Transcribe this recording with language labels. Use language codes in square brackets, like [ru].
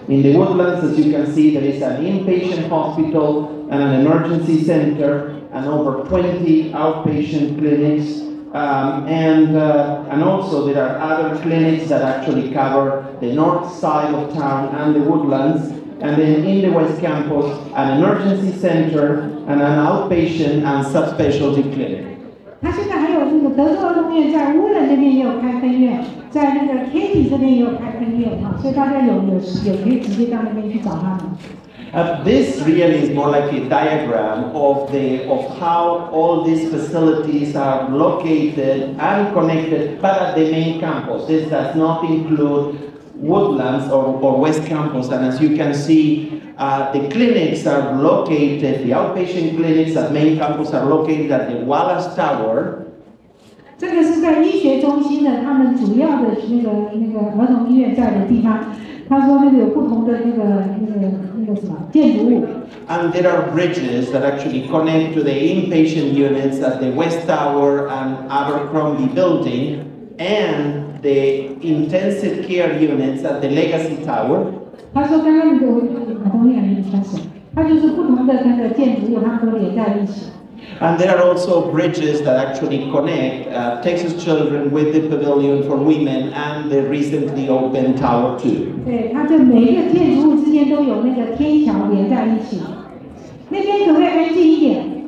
[en] In the Woodlands, as you can see, there is an inpatient hospital and an emergency center and over 20 outpatient clinics. And also there are other clinics that actually cover the north side of town and the Woodlands. And then in the West Campus, an emergency center and an outpatient and subspecialty clinic. [zh] 他现在还有那个德州儿童医院在乌伦那边也有开分院，在那个 Katy 这边也有开分院哈，所以大家有可以直接到那边去找他们。 [en] This really is more like a diagram of how all these facilities are located and connected, but at the main campus. This does not include. Woodlands or West Campus, and as you can see, the clinics are located, the outpatient clinics at main campus are located at the Wallace Tower. This is in the [zh] 他说那个有不同的那个什么建筑物。 [en] And there are bridges that actually connect to the inpatient units at the West Tower and Abercrombie Building and the intensive care units at the Legacy Tower。 [zh] 他说刚刚那个同样的一个事，他就是不同的那个建筑物，他们都连在一起。 [en] And there are also bridges that actually connect Texas Children with the Pavilion for Women and the recently opened Tower 2. [zh] 对，它这每一个建筑物之间都有那个天桥连在一起。那边可不可以安静一点？